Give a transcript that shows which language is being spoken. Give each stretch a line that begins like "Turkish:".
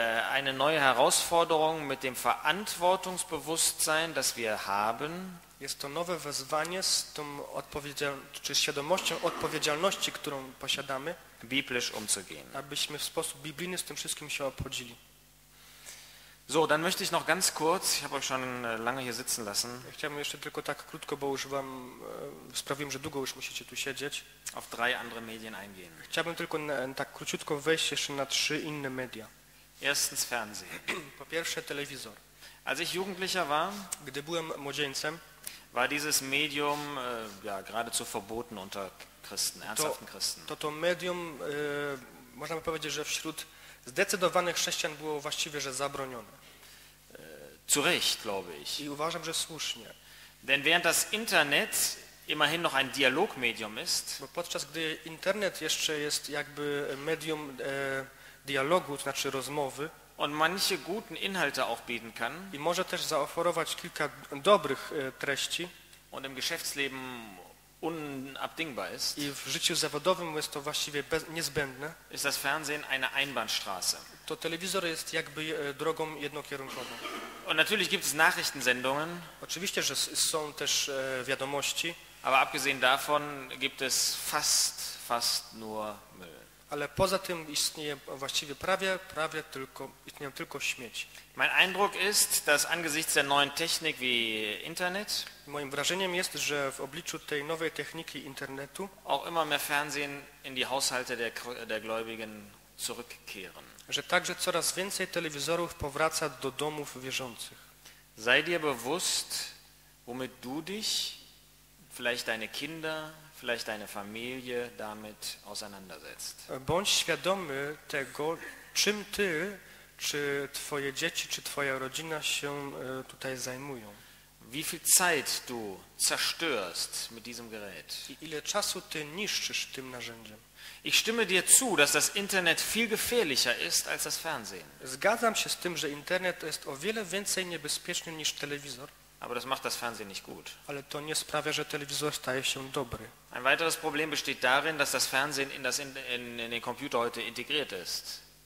German: Eine neue Herausforderung mit dem Verantwortungsbewusstsein, das wir haben.
Polish: Jest to nowe wezwanie z tą świadomością odpowiedzialności, którą posiadamy,
German: biblisch umzugehen.
Polish: Abyśmy w sposób biblijny z tym wszystkim się obchodzili.
German: So, dann möchte ich noch ganz kurz, ich habe euch schon lange hier sitzen lassen.
Polish: Chciałbym jeszcze tylko tak krótko, bo już wam sprawiłem, że długo już musicie tu siedzieć.
German: Auf drei andere Medien eingehen.
Polish: Chciałbym tylko tak króciutko wejść jeszcze na trzy inne media.
German: Erstens Fernsehen.
Polish: Po pierwsze telewizor.
German: Als ich Jugendlicher war,
Polish: gdy byłem młodzieńcem,
German: war dieses Medium ja geradezu verboten unter Christen, ernsthaften Christen.
Polish: To medium można by powiedzieć, że wśród zdecydowanych chrześcijan było właściwie, że zabronione.
German: Zu Recht, glaube ich.
Polish: I uważam, że słusznie.
German: Denn während das Internet immerhin noch ein Dialogmedium ist,
Polish: bo podczas gdy Internet jeszcze jest jakby medium dialogu, to znaczy rozmowy,
German: und manche guten Inhalte auch bieten kann,
Polish: i może też zaoferować kilka dobrych treści,
German: und im Geschäftsleben unabdingbar ist,
Polish: i w życiu zawodowym jest to właściwie niezbędne,
German: ist das Fernsehen eine Einbahnstraße.
Polish: To telewizor jest jakby drogą jednokierunkową.
German: Und natürlich gibt es Nachrichtensendungen,
Polish: oczywiście, że są też wiadomości,
German: aber abgesehen davon gibt es fast nur Müll.
Polish: Ale poza tym istnieje właściwie prawie tylko, istnieją tylko śmieci.
German: Mein Eindruck ist, dass angesichts der neuen Technik wie Internet,
Polish: moim wrażeniem jest, że w obliczu tej nowej techniki internetu,
German: auch immer mehr Fernsehen in die Haushalte der Gläubigen zurückkehren.
Polish: Że także coraz więcej telewizorów powraca do domów wierzących.
German: Sei dir bewusst, womit du dich, vielleicht deine Kinder, vielleicht deine Familie damit auseinandersetzt.
Polish: Bądź świadomy tego, czym ty, czy twoje dzieci, czy twoja rodzina się tutaj zajmują.
German: Wie viel Zeit du zerstörst mit diesem Gerät.
Polish: I ile czasu ty niszczysz tym narzędziem.
German: Ich stimme dir zu, dass das Internet viel gefährlicher ist als das Fernsehen.
Polish: Zgadzam się z tym, że Internet jest o wiele więcej niebezpieczny niż telewizor.
German: Aber das macht das Fernsehen nicht gut.
Polish: Ale to nie sprawia, że telewizor staje się dobry.
German: Ein weiteres Problem besteht darin, dass das Fernsehen in den Computer heute integriert ist.